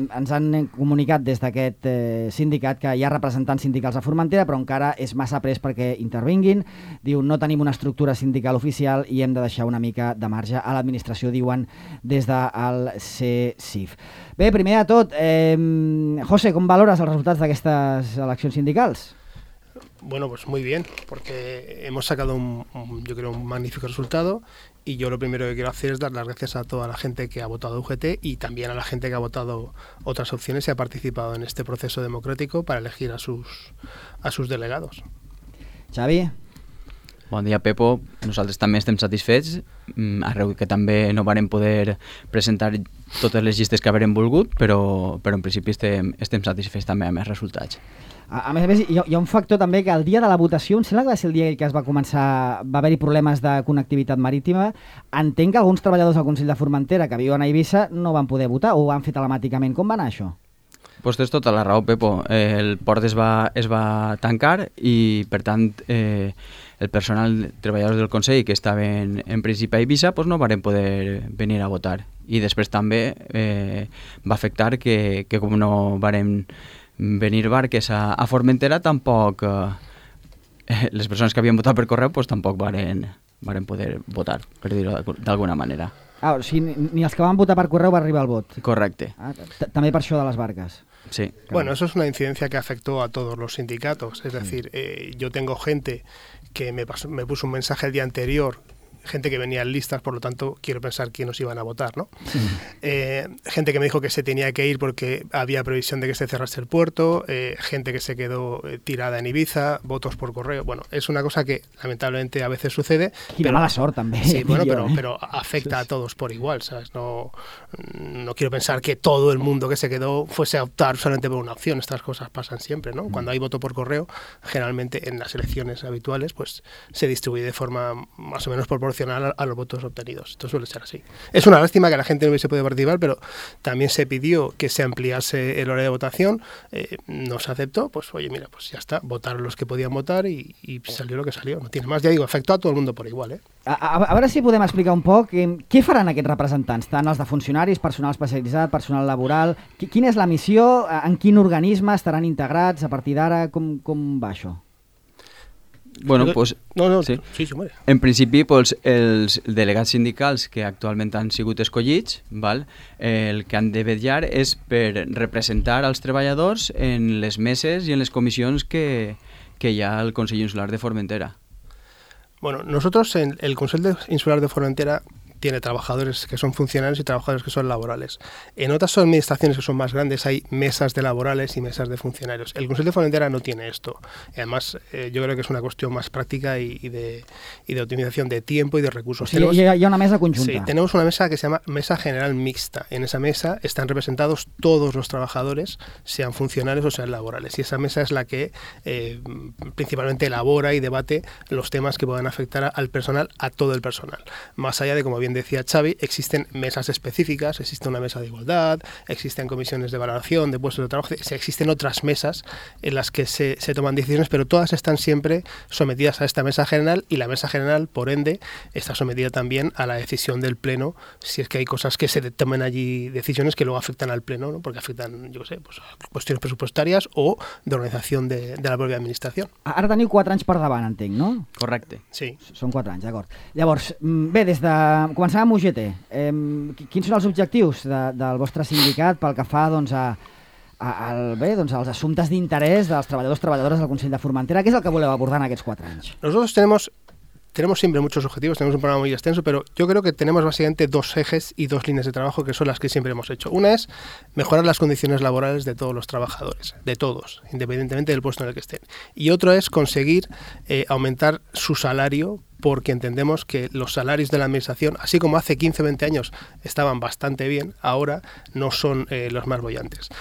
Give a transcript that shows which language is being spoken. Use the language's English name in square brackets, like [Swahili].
[Catalan] Ens han comunicat des d'aquest sindicat que hi ha representants sindicals a Formentera, però encara és massa pres perquè intervinguin. Diu, no tenim una estructura sindical oficial i hem de deixar una mica de marge a l'administració, diuen des del CESIF. Bé, primer de tot, José, com valores els resultats d'aquestes eleccions sindicals? [Spanish] Bueno, pues muy bien, porque hemos sacado un magnífico resultado y yo lo primero que quiero hacer es dar las gracias a toda la gente que ha votado UGT y también a la gente que ha votado otras opciones y ha participado en este proceso democrático para elegir a sus delegados. [Catalan] Xavi. Bon dia, Pepo. Nosaltres també estem satisfets, arreu que també no vàrem poder presentar totes les llistes que haurem volgut, però en principi estem satisfets també amb els resultats. A més, hi ha un factor també que el dia de la votació, em sembla que va ser el dia que es va començar, va haver-hi problemes de connectivitat marítima. Entenc que alguns treballadors del Consell de Formentera que viuen a Eivissa no van poder votar o ho van fer telemàticament. Com va anar això? Pues tens tota la raó, Pepo. El port es va tancar i, per tant, el personal treballadors del Consell que estaven en principi a Eivissa pues no varen poder venir a votar. I després també va afectar que com no varen venir barques a Formentera, tampoc les persones que havien votat per correu pues tampoc varen poder votar, per dir-ho d'alguna manera. Ah, o sigui, ni els que van votar per correu va arribar al vot. Correcte. També per això de les barques. Sí. [Spanish] Bueno, eso es una incidencia que afectó a todos los sindicatos. Es decir, yo tengo gente que me puso un mensaje el día anterior, gente que venía en listas, por lo tanto, quiero pensar quién nos iban a votar, ¿no? Gente que me dijo que se tenía que ir porque había previsión de que se cerrase el puerto, gente que se quedó tirada en Eivissa, votos por correo. Bueno, es una cosa que lamentablemente a veces sucede. Y de mala suerte también. Sí, bueno, pero afecta a todos por igual, ¿sabes? No quiero pensar que todo el mundo que se quedó fuese a optar solamente por una opción. Estas cosas pasan siempre, ¿no? Cuando hay voto por correo, generalmente en las elecciones habituales, pues se distribuye de forma más o menos proporcional a los votos obtenidos. Esto suele ser así. Es una lástima que la gente no hubiese podido participar, pero también se pidió que se ampliase el horario de votación. No se aceptó, pues oye, mira, pues ya está. Votaron los que podían votar y salió lo que salió. No tiene más. Ya digo, afectó a todo el mundo por igual, [Catalan] A veure si podem explicar un poc què faran aquests representants, tant els de funcionaris, personal especialitzat, personal laboral, quina és la missió, en quin organisme estaran integrats a partir d'ara, com va això? [Spanish] Bueno, pues, sí. [Catalan] En principi, pues, els delegats sindicals que actualment han sigut escollits, val? El que han de vetllar és per representar els treballadors en les meses i en les comissions que hi ha al Consell Insular de Formentera. [Spanish] Bueno, nosotros en el Consell Insular de Formentera tiene trabajadores que son funcionarios y trabajadores que son laborales. En otras administraciones que son más grandes hay mesas de laborales y mesas de funcionarios. El Consell de Formentera no tiene esto. Y además, yo creo que es una cuestión más práctica y de optimización de tiempo y de recursos. Sí, tenemos, y una mesa conjunta. Sí, tenemos una mesa que se llama Mesa General Mixta. En esa mesa están representados todos los trabajadores, sean funcionarios o sean laborales. Y esa mesa es la que principalmente elabora y debate los temas que puedan afectar al personal, a todo el personal. Más allá de, como bien decía Xavi, existen mesas específicas, existe una mesa de igualdad, existen comisiones de valoración de puestos de trabajo, existen otras mesas en las que se toman decisiones, pero todas están siempre sometidas a esta mesa general, y la mesa general, por ende, está sometida también a la decisión del pleno, si es que hay cosas que se tomen allí, decisiones que luego afectan al pleno, ¿no? Porque afectan, yo qué sé, pues, cuestiones presupuestarias o de organización de la propia administración. [Catalan] Ara teniu 4 anys per davant, entenc, no? Correcte. Sí. Són 4 anys, d'acord. Llavors, bé, des de... començant amb UGT, quins són els objectius del vostre sindicat pel que fa, doncs, als assumptes d'interès dels treballadors i treballadores del Consell de Formentera? Què és el que voleu abordar en aquests 4 anys? [Spanish] Nosotros tenemos siempre muchos objetivos, tenemos un programa muy extenso, pero yo creo que tenemos básicamente dos ejes y dos líneas de trabajo que son las que siempre hemos hecho. Una es mejorar las condiciones laborales de todos los trabajadores, de todos, independientemente del puesto en el que estén. Y otro es conseguir aumentar su salario, porque entendemos que los salarios de la administración, así como hace 15, 20 años estaban bastante bien, ahora no son los más boyantes.